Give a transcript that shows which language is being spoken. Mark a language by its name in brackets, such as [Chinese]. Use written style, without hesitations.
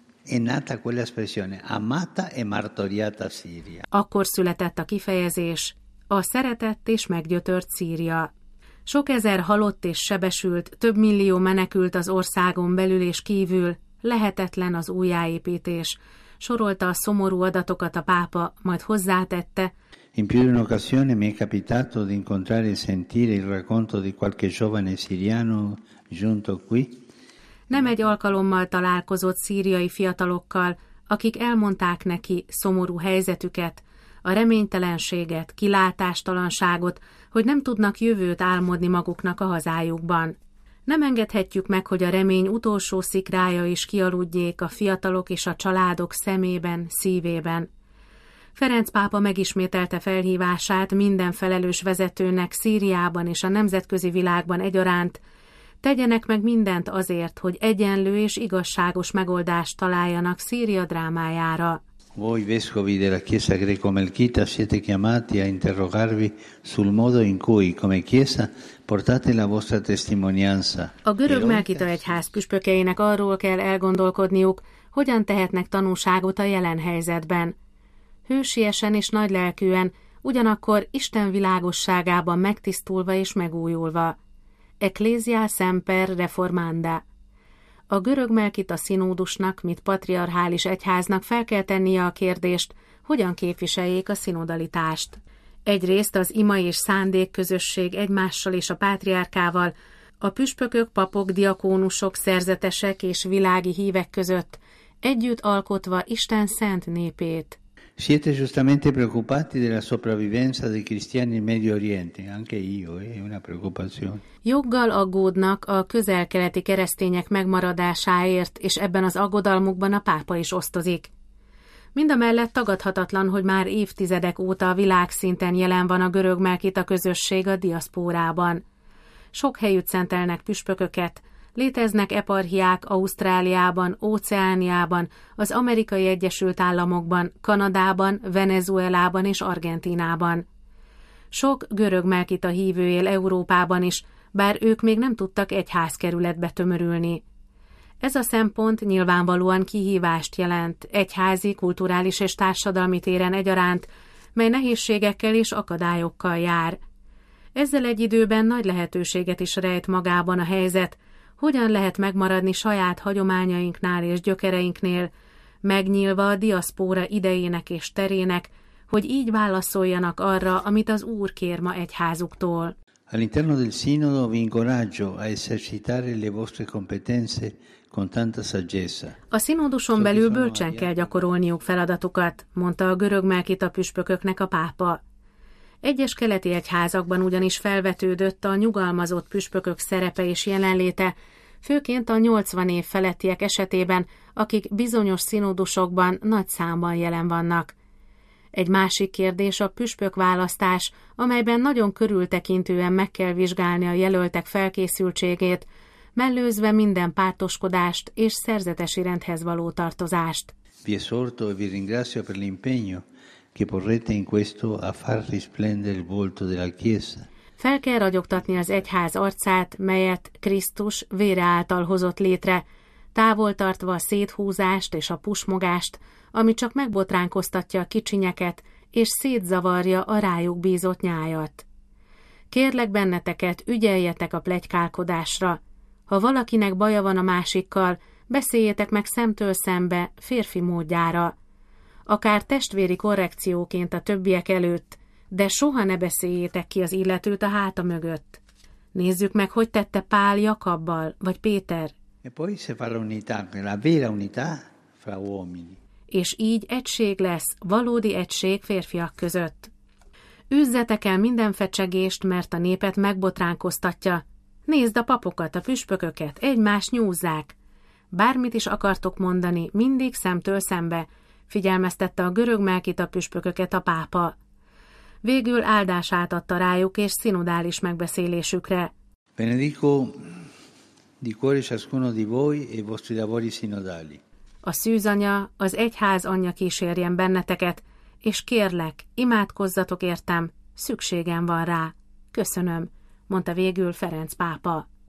[Italian] È nata quella espressione, amata e martoriata Siria. [Hungarian] Akkor született a kifejezés, a szeretett és meggyötört Szíria. Sok ezer halott és sebesült, több millió menekült az országon belül és kívül, lehetetlen az újjáépítés. Sorolta a szomorú adatokat a pápa, majd hozzátette. [Italian] In più di un'occasione mi è capitato di incontrare e sentire il racconto di qualche giovane siriano giunto qui. [Hungarian] Nem egy alkalommal találkozott szíriai fiatalokkal, akik elmondták neki szomorú helyzetüket, a reménytelenséget, kilátástalanságot, hogy nem tudnak jövőt álmodni maguknak a hazájukban. Nem engedhetjük meg, hogy a remény utolsó szikrája is kialudjék a fiatalok és a családok szemében, szívében. Ferenc pápa megismételte felhívását minden felelős vezetőnek Szíriában és a nemzetközi világban egyaránt, tegyenek meg mindent azért, hogy egyenlő és igazságos megoldást találjanak Szíria drámájára. [Italian] Voi vescovi della Chiesa greco-melchita siete chiamati a interrogarvi sul modo in cui come chiesa portate la vostra testimonianza. [Hungarian] A görög Melkita egyház püspökeinek arról kell elgondolkodniuk, hogyan tehetnek tanúságot a jelen helyzetben. Hősiesen és nagylelkűen, ugyanakkor Isten világosságában megtisztulva és megújulva. [Latin] Ecclesia semper reformanda. [Hungarian] A görög Melkita szinódusnak, mint patriarchális egyháznak fel kell tennie a kérdést, hogyan képviseljék a szinodalitást. Egyrészt az ima és szándék közösség egymással és a pátriárkával, a püspökök, papok, diakónusok, szerzetesek és világi hívek között, együtt alkotva Isten szent népét. [Italian] Siete giustamente preoccupati della sopravvivenza dei cristiani in Medio Oriente, anche io, è una preoccupazione. [Hungarian] Joggal aggódnak a közel-keleti keresztények megmaradásáért, és ebben az aggodalmukban a pápa is osztozik. Mindamellett tagadhatatlan, hogy már évtizedek óta a világ szinten jelen van a görög melkita közösség a diaszpórában. Sok helyütt szentelnek püspököket, léteznek eparhiák Ausztráliában, Óceániában, az Amerikai Egyesült Államokban, Kanadában, Venezuelában és Argentínában. Sok görög melkita hívő él Európában is, bár ők még nem tudtak egyházkerületbe tömörülni. Ez a szempont nyilvánvalóan kihívást jelent, egyházi, kulturális és társadalmi téren egyaránt, mely nehézségekkel és akadályokkal jár. Ezzel egy időben nagy lehetőséget is rejt magában a helyzet, hogyan lehet megmaradni saját hagyományainknál és gyökereinknél, megnyílva a diaszpóra idejének és terének, hogy így válaszoljanak arra, amit az Úr kér ma egyházuktól. [Italian] All'interno del sinodo vi incoraggio a esercitare le vostre competenze con tanta saggezza. [Hungarian] A sinoduson belül bölcsen kell gyakorolniuk feladatukat, mondta a görög melkita püspököknek a pápa. Egyes keleti egyházakban ugyanis felvetődött a nyugalmazott püspökök szerepe és jelenléte, főként a 80 év felettiek esetében, akik bizonyos sinodusokban nagy számban jelen vannak. Egy másik kérdés a püspök választás, amelyben nagyon körültekintően meg kell vizsgálni a jelöltek felkészültségét, mellőzve minden pártoskodást és szerzetesi rendhez való tartozást. [Italian] Vi esorto e vi ringrazio per l'impegno che porrete in questo a far risplendere il volto della Chiesa. [Hungarian] Fel kell ragyogtatni az egyház arcát, melyet Krisztus vére által hozott létre, távol tartva a széthúzást és a pusmogást, ami csak megbotránkoztatja a kicsinyeket, és szétzavarja a rájuk bízott nyájat. Kérlek benneteket, ügyeljetek a pletykálkodásra. Ha valakinek baja van a másikkal, beszéljetek meg szemtől szembe, férfi módjára. Akár testvéri korrekcióként a többiek előtt, de soha ne beszéljétek ki az illetőt a háta mögött. Nézzük meg, hogy tette Pál Jakabbal, vagy Péter. [Italian] E poi si fa l'unità, la vera unità fra uomini. [Hungarian] És így egység lesz, valódi egység férfiak között. Üzzetek el minden fecsegést, mert a népet megbotránkoztatja. Nézd a papokat, a püspököket, egymás nyúzzák. Bármit is akartok mondani, mindig szemtől szembe, figyelmeztette a görög melkita püspököket a pápa. Végül áldását adta rájuk és szinodális megbeszélésükre. [Italian] Benedico di cuore ciascuno di voi e i vostri lavori sinodali. [Hungarian] A szűzanya, az egyház anyja kísérjen benneteket, és kérlek, imádkozzatok értem, szükségem van rá. Köszönöm, mondta végül Ferenc pápa.